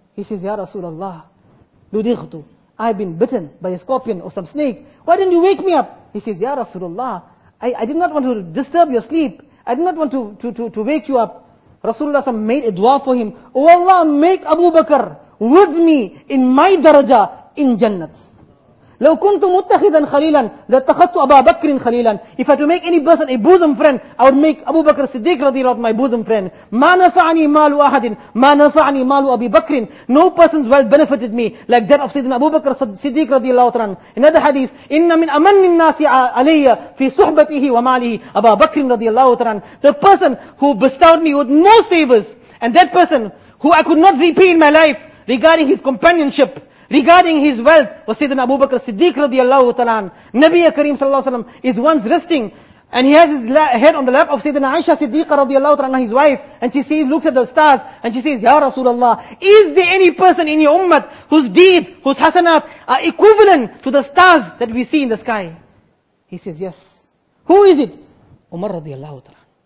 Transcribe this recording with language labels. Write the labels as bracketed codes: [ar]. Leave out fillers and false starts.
[en] He says, Ya Rasulullah, ludightu. I've been bitten by a scorpion or some snake. Why didn't you wake me up? He says, Ya Rasulullah, I did not want to disturb your sleep. I did not want to wake you up. Rasulullah made a dua for him. Oh Allah, make Abu Bakr with me in my daraja in Jannat. [ar] لو كنت متخذا خليلا لاتخذت أبا بكر خليلا. [en] If I had to make any person a bosom friend, I would make Abu Bakr Siddiq [ar] رضي الله عنه [en] my bosom friend. [ar] ما نفعني مال أحد ما نفعني مال أبي بكر. [en] No person's wealth benefited me like that of [ar] سيدنا أبو بكر الصديق رضي الله عنه. [en] Another hadith, [ar] إن من أمن الناس علي في صحبته وماله أبا بكر رضي الله عنه. [en] The person who bestowed me with most favors and that person who I could not repay in my life regarding his companionship, regarding his wealth, was Sayyidina Abu Bakr Siddiq radiallahu ta'ala. Nabi Kareem sallallahu alayhi wa sallam is once resting and he has his head on the lap of Sayyidina Aisha Siddiqa radiallahu ta'ala, his wife, and she sees, looks at the stars and she says, Ya Rasulullah, is there any person in your ummah whose deeds, whose hasanat are equivalent to the stars that we see in the sky? He says, yes. Who is it? Umar radiallahu ta'ala.